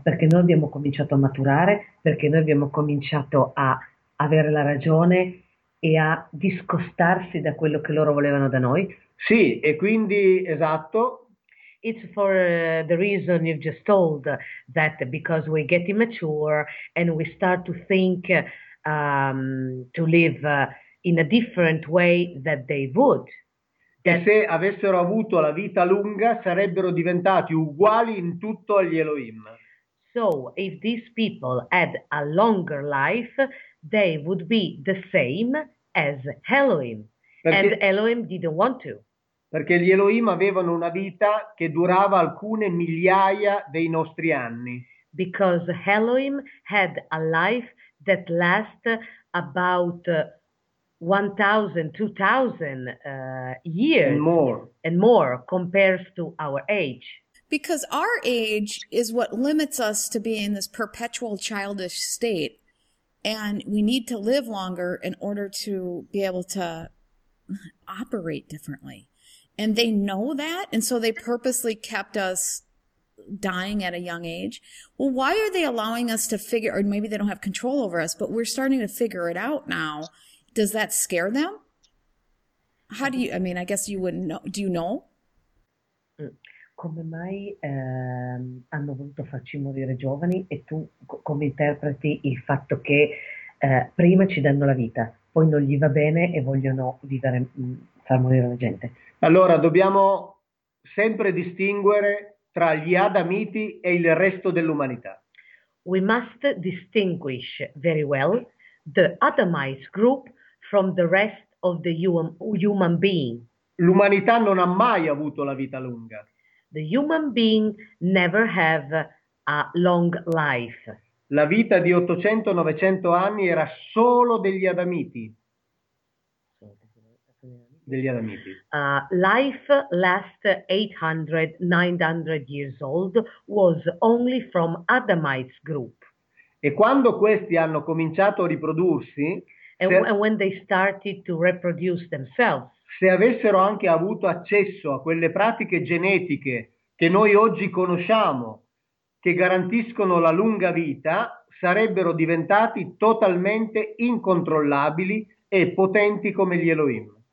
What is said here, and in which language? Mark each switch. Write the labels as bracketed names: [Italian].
[Italian] Perché noi abbiamo cominciato a maturare, perché noi abbiamo cominciato a avere la ragione e a discostarsi da quello che loro volevano da noi. Sì, e quindi esatto. [English] It's for the reason you've just told that because we get immature and we start to think to live in a different way that they would. [Italian] E se avessero avuto la vita lunga, sarebbero diventati uguali in tutto agli Elohim. [English] So if these people had a longer life, they would be the same as Elohim, and Elohim didn't want to. [Italian] Perché gli Elohim avevano una vita che durava alcune migliaia dei nostri anni. [English] Because Elohim had a life that lasts about 1,000, 2,000 And years more. and more compares to our age. Because our age is what limits us to being in this perpetual childish state, and we need to live longer in order to be able to operate differently. And they know that, and so they purposely kept us dying at a young age. Well, why are they allowing us to figure, or maybe they don't have control over us, but we're starting to figure it out now. Does that scare them? How do you, I mean, I guess you wouldn't know. Do you know? [Italian] Come mai hanno voluto farci morire giovani e tu come interpreti il fatto che prima ci danno la vita, poi non gli va bene e vogliono vivere, far morire la gente? Allora, dobbiamo sempre distinguere tra gli Adamiti e il resto dell'umanità. [English] We must distinguish very well the Adamite group from the rest of the human being. [Italian] L'umanità non ha mai avuto la vita lunga. [English] The human being never have a long life. [Italian] La vita di 800-900 anni era solo degli Adamiti. degli Adamiti. [English] Life last 800-900 years old was only from Adamite's group. [Italian] E quando questi hanno cominciato a riprodursi, [English] And when they started to reproduce themselves. [Italian] se avessero anche avuto accesso a quelle pratiche genetiche che noi oggi conosciamo, che garantiscono la lunga vita, sarebbero diventati totalmente incontrollabili e potenti come gli Elohim.